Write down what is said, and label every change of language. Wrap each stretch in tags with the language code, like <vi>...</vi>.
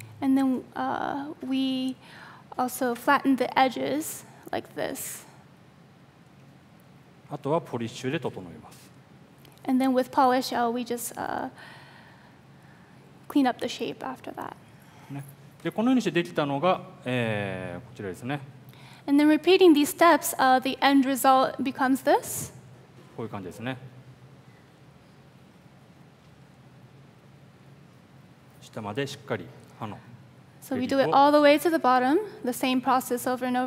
<en>And then, we also flatten the edges like this.</en> <ja>あとはポリッシュで整えます。</ja> <en>And then with polish, we just, clean up the shape after that.</en> <ja>でこのようにしてできたのが、こちらですね。</ja> <en>And then repeating these steps, the end result becomes this.</en> <ja>こういう感じですね。下までしっかり刃の。</ja> <en>So we do it all the way to the bottom, the same process over and over.</en>